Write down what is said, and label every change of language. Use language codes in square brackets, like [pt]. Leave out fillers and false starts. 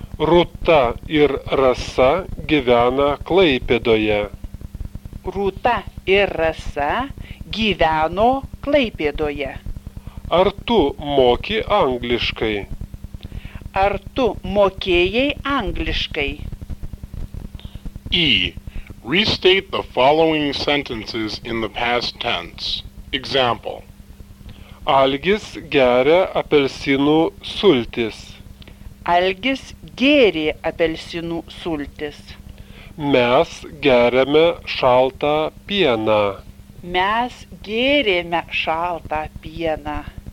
[lt] Rūta ir Rasa gyvena Klaipėdoje. Rūta ir Rasa gyveno Klaipėdoje. Ar tu moki angliškai? Ar tu mokėjai angliškai? [en] E. Restate the following sentences in the past tense. Example. [lt] Algis geria apelsinų sultis. Algis gėrė apelsinų sultis. Mes geriame šaltą pieną. Mes gėrėme šaltą pieną.